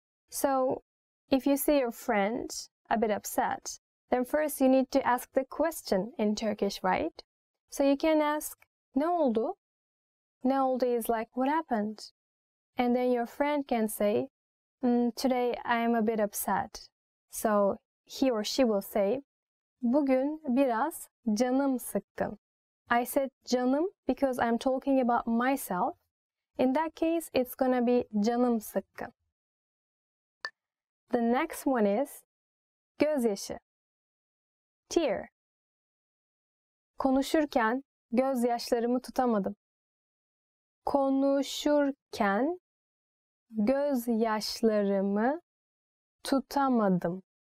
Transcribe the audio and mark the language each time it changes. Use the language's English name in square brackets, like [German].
[English] So, if you see your friend a bit upset, then first you need to ask the question in Turkish, right? So you can ask, [Turkish] ne oldu? Ne oldu [English] is like, what happened? And then your friend can say, today I am a bit upset. So he or she will say, [Turkish] bugün biraz canım sıkkın. [English] I said canım because I'm talking about myself. In that case, it's gonna be [Turkish] canım sıkkın. [English] The next one is gözyaşı, tear. [Turkish] Konuşurken gözyaşlarımı tutamadım. Konuşurken gözyaşlarımı tutamadım.